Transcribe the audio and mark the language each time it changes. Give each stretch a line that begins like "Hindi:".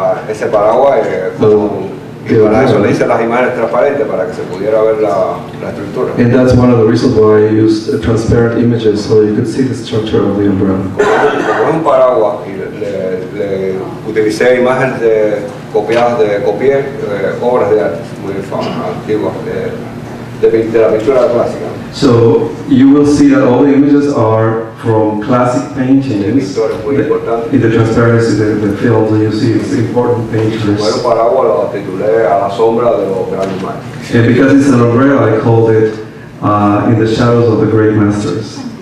Spanish: Ese paraguas y para eso le hice las imágenes transparentes para que se pudiera ver la estructura.
English: And that's one of the reasons why I used transparent images so you could see the structure of the umbrella.
Spanish: Como un paraguas y le utilicé imágenes copié obras de arte muy famosas, antiguas, de la pintura clásica.
English: So you will see that all the images are from classic paintings. In the transparency, the films that you see, it's important paintings. And because it's an umbrella, I called it In the Shadows of the Great Masters.